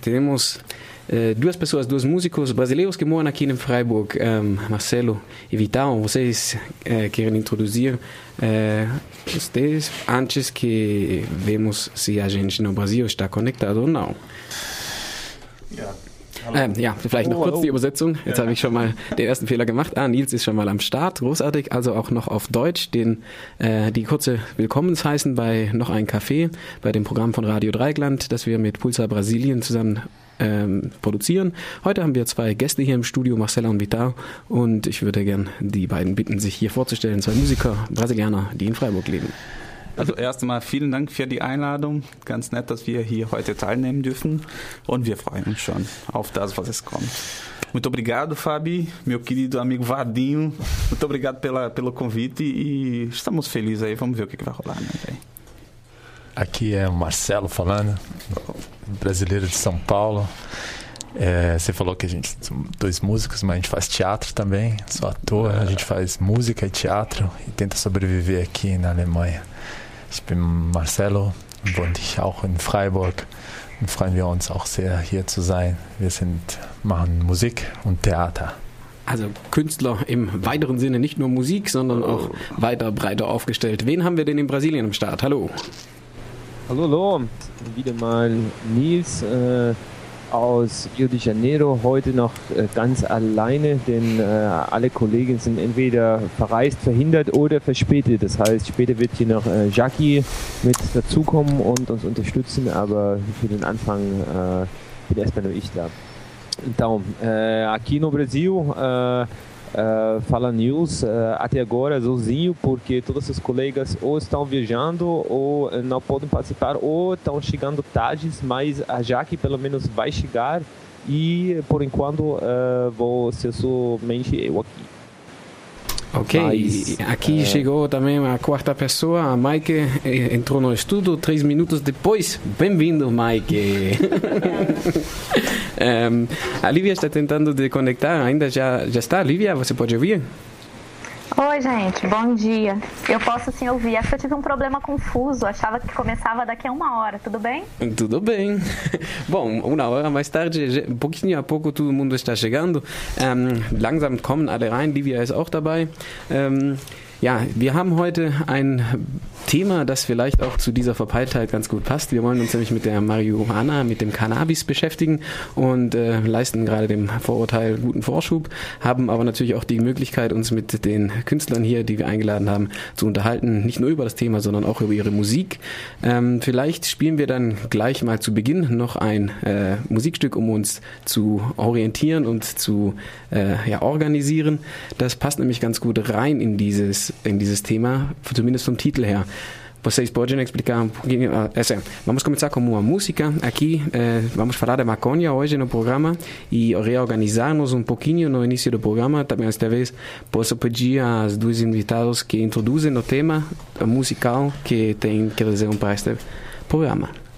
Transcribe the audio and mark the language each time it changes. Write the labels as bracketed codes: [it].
[pt] Temos duas pessoas, dois músicos brasileiros que moram aqui em Freiburg, Marcelo e Vital. Vocês querem introduzir vocês antes que vemos se a gente no Brasil está conectado ou não? [de] Ja, vielleicht noch kurz die Übersetzung. Jetzt habe ich schon mal den ersten Fehler gemacht. Ah, Nils ist schon mal am Start. Großartig. Also auch noch auf Deutsch die kurze Willkommensheißen bei Noch ein Kaffee, bei dem Programm von Radio Dreieckland, das wir mit Pulsar Brasilien zusammen produzieren. Heute haben wir zwei Gäste hier im Studio, Marcela und Vital. Und ich würde gern die beiden bitten, sich hier vorzustellen. Zwei Musiker, Brasilianer, die in Freiburg leben. Also erst einmal vielen Dank für die Einladung. Ganz nett, dass wir hier heute teilnehmen dürfen. Und wir freuen uns schon auf das, was es kommt. [pt] Muito obrigado, Fabi, meu querido amigo Vadinho. Muito obrigado pelo convite e estamos felizes aí. Vamos ver o que vai rolar. Né? Aqui é o Marcelo falando, brasileiro de São Paulo. Você falou que a gente são dois músicos, mas a gente faz teatro também. Sou ator, a gente faz música e teatro e tenta sobreviver aqui na Alemanha. [de] Ich bin Marcelo und wohne auch in Freiburg und freuen wir uns auch sehr, hier zu sein. Wir machen Musik und Theater. Also Künstler im weiteren Sinne, nicht nur Musik, sondern auch weiter breiter aufgestellt. Wen haben wir denn in Brasilien am Start? Hallo. Hallo. Wieder mal Nils aus Rio de Janeiro, heute noch ganz alleine, denn alle Kollegen sind entweder verreist, verhindert oder verspätet. Das heißt, später wird hier noch Jackie mit dazukommen und uns unterstützen, aber für den Anfang bin erstmal nur ich da. [pt] Então, aqui no Brasil, fala Nils, até agora sozinho, porque todos os colegas ou estão viajando ou não podem participar ou estão chegando tarde, mas a Jaque pelo menos vai chegar e por enquanto vou ser somente eu aqui. Ok, mas, aqui chegou também a quarta pessoa, a Maike, entrou no estúdio 3 minutos depois. Bem-vindo, Maike! a Lívia está tentando se conectar, ainda já está? Lívia, você pode ouvir? Oi, gente, bom dia. Eu posso sim ouvir, acho que eu tive um problema confuso, achava que começava daqui a uma hora, tudo bem? Tudo bem. Bom, uma hora mais tarde, pouquinho a pouco todo mundo está chegando. [de] Langsam kommen alle rein, Lívia ist auch dabei. Ja, wir haben heute ein Thema, das vielleicht auch zu dieser Verpeiltheit ganz gut passt. Wir wollen uns nämlich mit der Marihuana, mit dem Cannabis beschäftigen und leisten gerade dem Vorurteil guten Vorschub, haben aber natürlich auch die Möglichkeit, uns mit den Künstlern hier, die wir eingeladen haben, zu unterhalten. Nicht nur über das Thema, sondern auch über ihre Musik. Vielleicht spielen wir dann gleich mal zu Beginn noch ein Musikstück, um uns zu orientieren und zu organisieren. Das passt nämlich ganz gut rein in dieses tema, zumindest vom Titel her. [pt] Vocês podem explicar um pouquinho? Vamos começar com uma música. Aqui vamos falar da maconha hoje no programa e reorganizarmos um pouquinho no início do programa. Também esta vez posso pedir aos dois invitados que introduzem o tema musical que tem que trazer para este programa.